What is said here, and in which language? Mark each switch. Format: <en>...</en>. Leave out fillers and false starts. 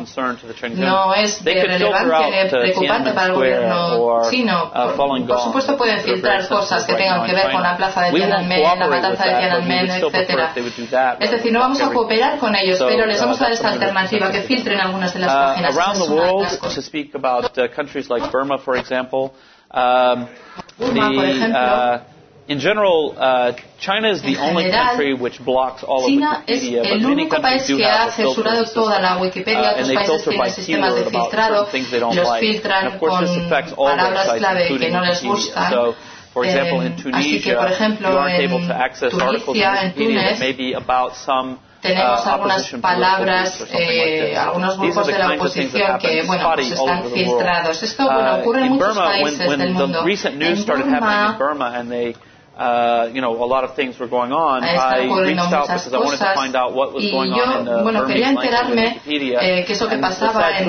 <es>No es de relevancia preocupante para el gobierno chino. Por supuesto pueden filtrar cosas que tengan que ver con la plaza de Tiananmen, la matanza de Tiananmen, etcétera. Es decir, no vamos a cooperar con ellos, pero les vamos a dar esta alternativa, que filtren algunas de las páginas.</es> <en>To speak about countries like Burma, for example, in general, China is the only country which blocks all of Wikipedia, but many countries do have a filter system, and they filter by keyword about certain things they don't like, and of course this affects all websites, including Wikipedia. So, for example, in Tunisia, you aren't able to access articles in Wikipedia that may be about some</en> <es>tenemos algunas palabras, algunos grupos de la oposición que, bueno, pues están filtrados. Esto, bueno, ocurre en muchos países del mundo. En</es> <en>Burma, you know, a lot of things were going on. I reached out because I wanted to find out what was going on in the Burmese language of Wikipedia.</en>